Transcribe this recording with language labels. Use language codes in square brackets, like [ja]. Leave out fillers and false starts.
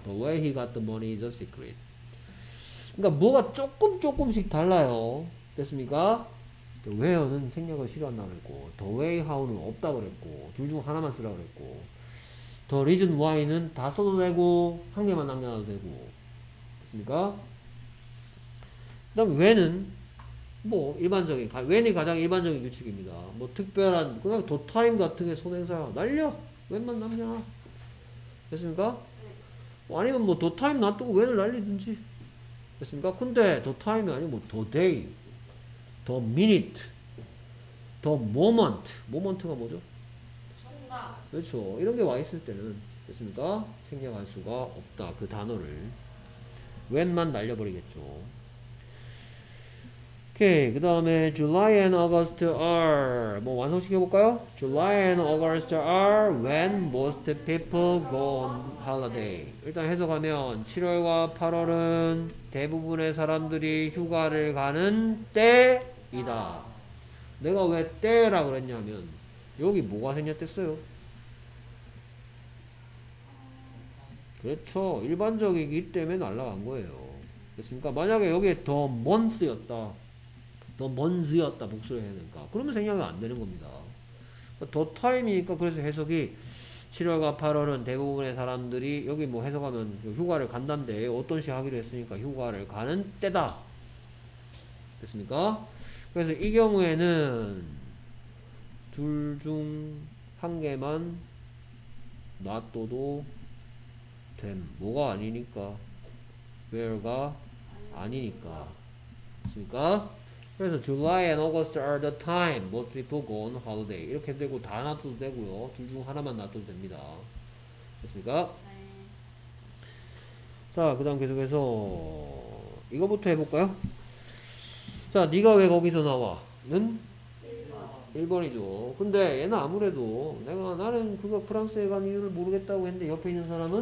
[en] the way he got the money is a secret. [ko] 그러니까 뭐가 조금씩 달라요. 됐습니까? [en] the where [ko] 는 생략을 싫어한다 그랬고 [en] the way how [ko] 는 없다 그랬고 둘 중 하나만 쓰라 그랬고 [en] the reason why [ko] 는 다 써도 되고 한 개만 남겨놔도 되고 됐습니까? 그 다음 when은 뭐 일반적인 웬이 가장 일반적인 규칙입니다. 뭐 특별한 그냥 더 타임 같은 게 선행사야. 날려 웬만 남냐. 됐습니까? 뭐 아니면 뭐 더 타임 놔두고 웬을 날리든지. 됐습니까? 근데 더 타임이 아니고 뭐 더 데이, 더 미니트, 더 모먼트. 모먼트가 뭐죠? 순간. 그렇죠. 이런 게 와 있을 때는 됐습니까? 생략할 수가 없다. 그 단어를 웬만 날려버리겠죠. 오케이, 그 다음에 [en] July and August are [ko] 뭐 완성시켜볼까요? [en] July and August are when most people go on holiday. [ko] 일단 해석하면 7월과 8월은 대부분의 사람들이 휴가를 가는 때이다. 내가 왜 때라 그랬냐면 여기 뭐가 생겼댔어요? 그렇죠. 일반적이기 때문에 날라간 거예요. 됐습니까? 만약에 여기에 the month였다. 더 먼즈였다 복수를 해야 되니까 그러면 생략이 안 되는 겁니다. 더 타임이니까 그래서 해석이 7월과 8월은 대부분의 사람들이 여기 뭐 해석하면 휴가를 간단데 어떤 시 하기로 했으니까 휴가를 가는 때다. 됐습니까? 그래서 이 경우에는 둘 중 한 개만 놔둬도 됨. 뭐가 아니니까 where가 아니니까. 됐습니까? 그래서 [en] July and August are the time most people go on holiday. [ko] 이렇게 되고 다 놔둬도 되고요. 둘 중 하나만 놔둬도 됩니다. 됐습니까? 네. 자, 그 다음 계속해서 이거부터 해볼까요? 자, 네가 왜 거기서 나와? 는? 1번. 1번이죠. 근데 얘는 아무래도 나는 그가 프랑스에 간 이유를 모르겠다고 했는데 옆에 있는 사람은?